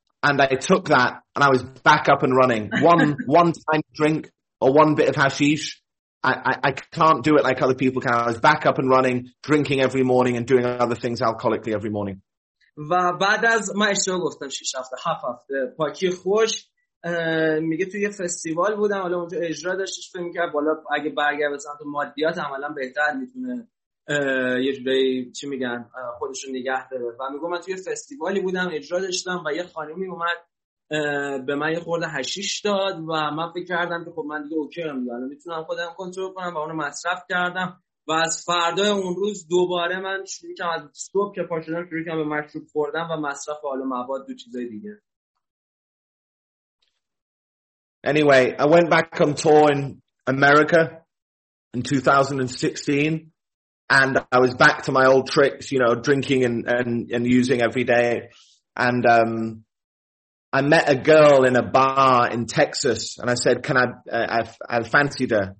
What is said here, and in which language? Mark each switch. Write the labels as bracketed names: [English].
[English] And I took that, and I was back up and running. One tiny drink or one bit of hashish, I can't do it like other people can. I was back up and running, drinking every morning and doing other things alcoholically every morning. [Persian] و بعد از ما اشتباه گفتم 6 هفته 7 هفته پاکی خوش میگه توی یه فستیوال بودم، حالا اونجا اجرا داشتش فکر می‌کردم بالا اگه برگردم به سمت مادیات عملاً بهتر میتونه یه جوری چی میگن خودشون نگه داره. و میگم من توی فستیوالی بودم اجرا داشتم و یه خانمی اومد به من یه خورده هشیش داد و من فکر کردم که خب من دیگه اوکی ام، الان میتونم خودم کنترل کنم و اونو مصرف کردم و از فردا اون روز دوباره من شروع کردم، از صبح که پا شدم شروع کردم به مشروب خوردن و مصرف حالا مواد دو چیزای دیگه. [English] Anyway, I went back on tour in America in 2016 and I was back to my old tricks, you know, drinking and using every day. And I met a girl in a bar in Texas and I said, can I fancied her.